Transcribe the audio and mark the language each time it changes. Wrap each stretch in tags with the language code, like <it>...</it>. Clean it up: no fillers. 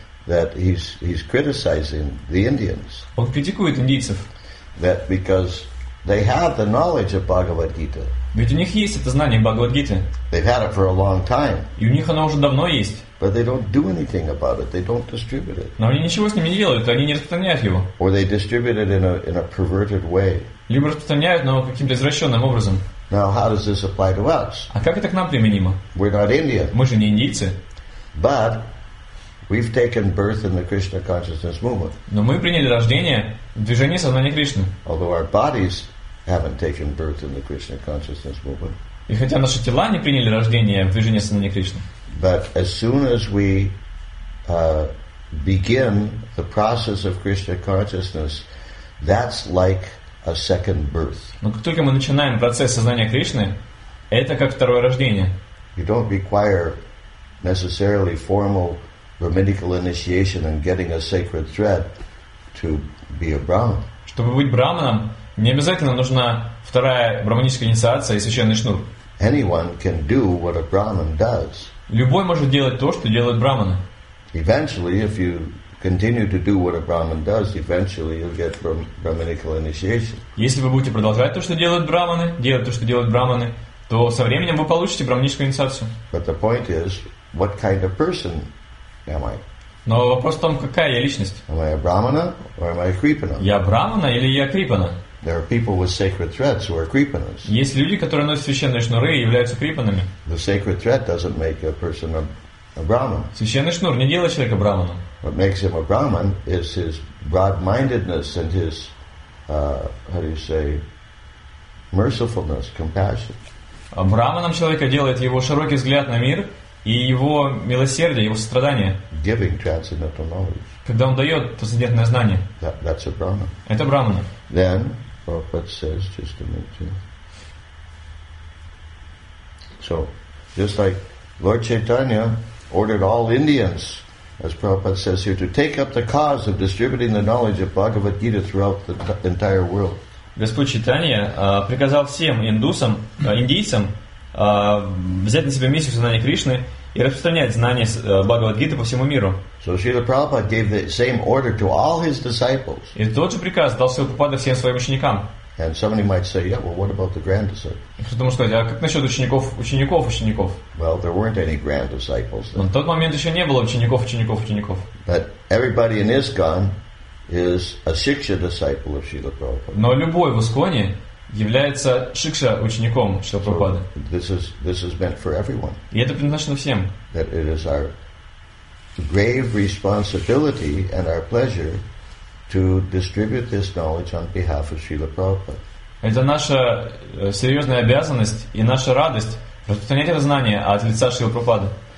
<en>That he's criticizing the Indians.</en> <ru>Он критикует индийцев.</ru> <en>That because they have the knowledge of Bhagavad Gita.</en> <ru>Ведь у них есть это знание Бхагавад Гиты.</ru> <en>They've had it for a long time.</en> <ru>И у них оно уже давно есть.</ru> <en>But they don't do anything about it. They don't distribute it.</en> <ru>Но они ничего с ним не делают, они не распространяют его.</ru> <en>Or they distribute it in a perverted way.</en> <ru>Либо распространяют, но каким-то извращенным образом.</ru> <en>Now, how does this apply to us?</en> <ru>А как это к нам применимо?</ru> <en>We're not Indian.</en> <ru>Мы же не индийцы.</ru> <en>But we've taken birth in the Krishna consciousness movement.</en> <ru>Но мы приняли рождение в движении сознания Кришны.</ru> <en>Although our bodies haven't taken birth in the Krishna consciousness movement.</en> <ru>И хотя наши тела не приняли рождение в движении сознания Кришны.</ru> <en>But as soon as we begin the process of Krishna consciousness, that's like a second birth.</en> <ru>Но как только мы начинаем процесс сознания Кришны, это как второе рождение.</ru> <en>You don't require necessarily formal brahminical initiation and getting a sacred thread to be a brahman.</en> <ru>Чтобы быть брахманом, не обязательно нужна вторая брахманическая инициация и священный шнур.</ru> <en>Anyone can do what a brahman does.</en> <ru>Любой может делать то, что делают брахманы.</ru> <en>Eventually, if you continue to do what a brahman does, eventually you'll get brahminical initiation.</en> <ru>Если вы будете продолжать то, что делают брахманы, делать то, что делают брахманы, то со временем вы получите брахманическую инициацию.</ru> <en>But the point is, what kind of person am I?</en> <ru>Но вопрос в том, какая я личность.</ru> <en>Am I a brahmana or am I a kripana?</en> <ru>Я брахмана или я крипана?</ru> <en>There are people with sacred threads who are kripanas.</en> <ru>Есть люди, которые носят священные шнуры и являются крипанами.</ru> <en>The sacred thread doesn't make a person a a Brahman.</en> <ru>Священный шнур не делает человека Брахманом.</ru> <en>What makes him a Brahman is his broad-mindedness and his, how do you say, mercifulness, compassion.</en> <ru>Брахманом человека делает его широкий взгляд на мир и его милосердие, его сострадание.</ru> <en>Giving transcendental knowledge.</en> <ru>Когда он дает трансцендентное знание.</ru> <en>That's a Brahman.</en> <ru>Это Брахмана.</ru> <en>Then, Prabhupada says, just a minute. So, just like Lord Chaitanya ordered all Indians, as Prabhupada says here, to take up the cause of distributing the knowledge of Bhagavad Gita throughout the entire world.</en> <ru>Господь Чайтанья приказал всем индусам, индийцам, взять на себя миссию сознания Кришны и распространять знания Бхагавад-гиты по всему миру.</ru> <en>So Srila Prabhupada gave the same order to all his disciples.</en> <ru>И тот же приказ дал Srila Prabhupada всем своим ученикам.</ru> <en>And somebody might say, yeah, well, what about the grand disciples?</en> <ru>Кто-то может сказать, а как насчет учеников?</ru> <en>Well, there weren't any grand disciples then.</en> <ru>Но в тот момент еще не было учеников.</ru> <en>But everybody in ISKCON is a Shiksha disciple of Srila Prabhupada.</en> <ru>Но любой в Исконе является Шикша учеником Шрила Прабхупады.</ru> <en>So this is meant for everyone.</en> <ru>И это предназначено всем.</ru> <en>That it is our grave responsibility and our pleasure to distribute this knowledge on behalf of Srila Prabhupada.</en> <ru>Это наша серьезная обязанность и наша радость распространять это знание от лица Шрила Прабхупады.</ru>